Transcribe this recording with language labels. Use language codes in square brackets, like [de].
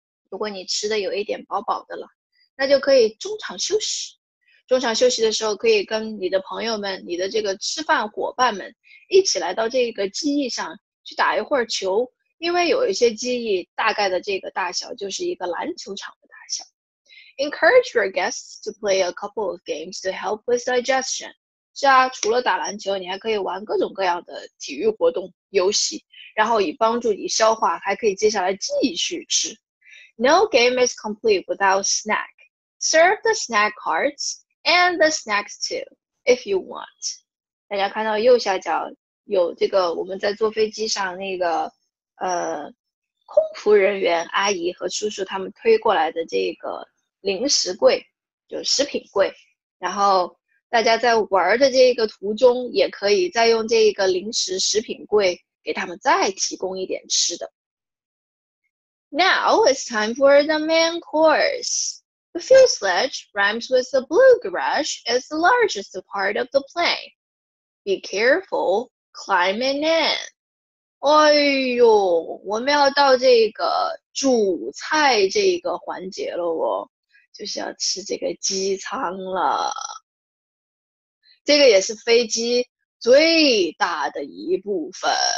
[zh] 如果你吃的有一点饱饱的了，那就可以中场休息。中场休息的时候，可以跟你的朋友们，你的这个吃饭伙伴们一起来到这个机翼上去打一会儿球，因为有一些机翼大概的这个大小就是一个篮球场的大小。 [en] Encourage your guests to play a couple of games to help with digestion. [zh] 是啊，除了打篮球，你还可以玩各种各样的体育活动、游戏，然后以帮助你消化，还可以接下来继续吃。 [en] No game is complete without snack. Serve the snack cards and the snacks too, if you want. [zh] 大家看到右下角有这个我们在坐飞机上那个空服人员阿姨和叔叔他们推过来的这个零食柜，就食品柜，然后大家在玩的这个途中也可以再用这个零食食品柜给他们再提供一点吃的。 [en] Now it's time for the main course. The fuselage rhymes with the blue garage is the largest part of the plane. Be careful climbing in. [zh] 哎呦，我们要到这个主菜这个环节了哦，就是要吃这个机舱了，这个也是飞机最大的一部分。